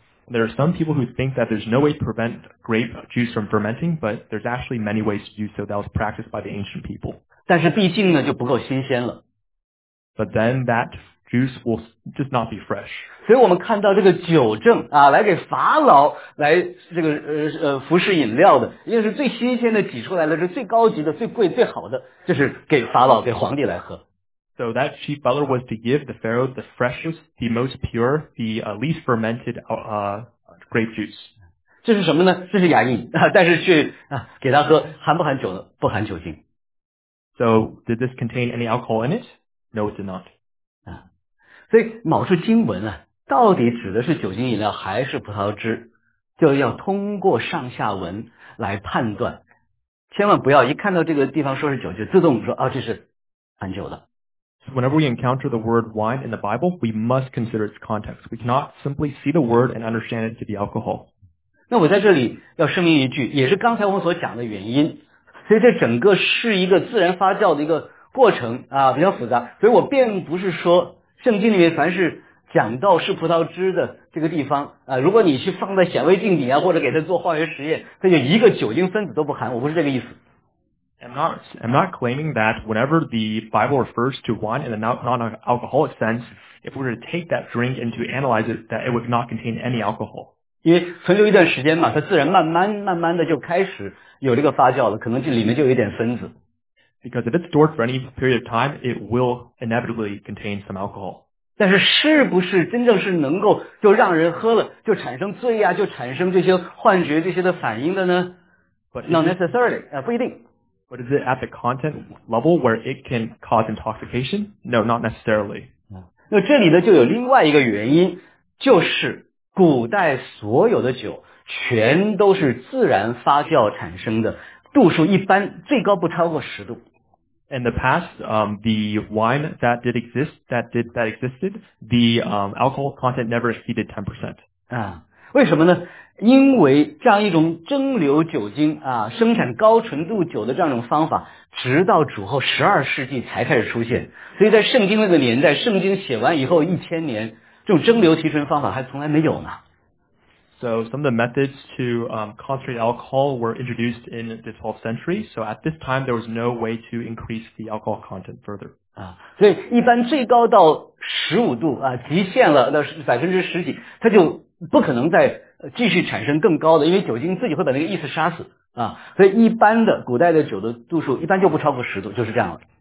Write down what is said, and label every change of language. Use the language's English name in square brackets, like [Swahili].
[English] There are some people who think that there's no way to prevent grape juice from fermenting, but there's actually many ways to do so that was practiced by the ancient people. [Chinese] 但是毕竟呢就不够新鲜了。 [English] But then that juice will just not be fresh. [Chinese] 所以我们看到这个酒政啊来给法老来这个服侍饮料的因为是最新鲜的挤出来的是最高级的最贵最好的就是给法老给皇帝来喝。 So that chief butler was to give the pharaoh the freshest, the most pure, the least fermented grape juice. 这是什么呢？这是雅饮，但是却给他喝，含不含酒呢？不含酒精。 [English] So did this contain any alcohol in it? No, it did not. [Chinese] 所以卯出经文啊，到底指的是酒精饮料还是葡萄汁，就要通过上下文来判断。千万不要一看到这个地方说是酒，就自动说啊，这是含酒的。 [English] Whenever we encounter the word wine in the Bible, we must consider its context. We cannot simply see the word and understand it to be alcohol. [Chinese] 那我在这里要声明一句，也是刚才我们所讲的原因，所以这整个是一个自然发酵的一个过程啊，比较复杂。所以我并不是说圣经里面凡是讲到是葡萄汁的这个地方啊，如果你去放在显微镜底啊，或者给它做化学实验，它就一个酒精分子都不含。我不是这个意思。 [English] I'm not claiming that whenever the Bible refers to wine in a non-alcoholic sense, if we were to take that drink and to analyze it, that it would not contain any alcohol. [Chinese] 因为存留一段时间嘛，它自然慢慢的就开始有这个发酵了，可能这里面就有点分子。 [English] Because if it's stored for any period of time, it will inevitably contain some alcohol. [Chinese] 但是是不是真正是能够就让人喝了就产生醉啊，就产生这些幻觉这些的反应的呢 [English] ？But not necessarily, [Chinese] 不一定。 [English] But is it at the content level where it can cause intoxication? No, not necessarily. [Chinese] 那这里呢就有另外一个原因，就是古代所有的酒全都是自然发酵产生的，度数一般最高不超过十度。 [English] In the past, the wine that did exist, that existed, the alcohol content never exceeded 10%. [Chinese] 啊，为什么呢？因为这样一种蒸馏酒精啊，生产高纯度酒的这样一种方法，直到主后12世纪才开始出现。所以在圣经那个年代，圣经写完以后1000年，这种蒸馏提纯方法还从来没有呢。 [English] So some of the methods to concentrate alcohol were introduced in the 12th century. So at this time, there was no way to increase the alcohol content further. [Chinese] 啊，所以一般最高到15度啊，极限了，那10%几，它就不可能再继续产生更高的，因为酒精自己会把那个意思杀死啊，所以一般的古代的酒的度数一般就不超过十度，就是这样了。